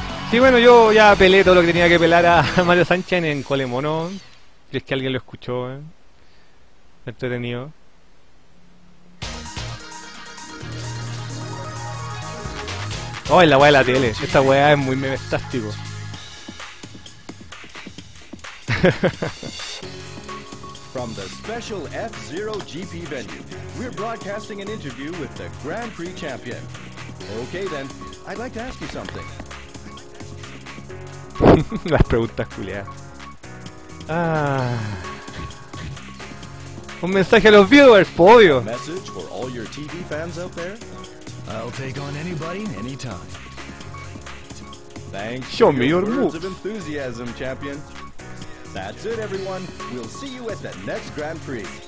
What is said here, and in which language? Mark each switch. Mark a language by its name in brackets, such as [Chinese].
[Spanish] Sí, bueno, yo ya pelé todo lo que tenía que pelar a Mario Sánchez en Colemono. Si es que alguien lo escuchó, ¿eh? Entretenido. Oh, es la weá de la tele. Esta weá es muy memestástico. [English] From the special F-Zero GP venue, we're broadcasting an interview with the Grand Prix champion. Okay then, I'd like to ask you something. [Spanish] Las preguntas culiadas. Ah. Un mensaje a los viewers, podio. [English] Message for all your TV fans out there. I'll take on anybody anytime. Thanks. Show me your moves. Of enthusiasm, champion. That's it, everyone. We'll see you at the next Grand Prix.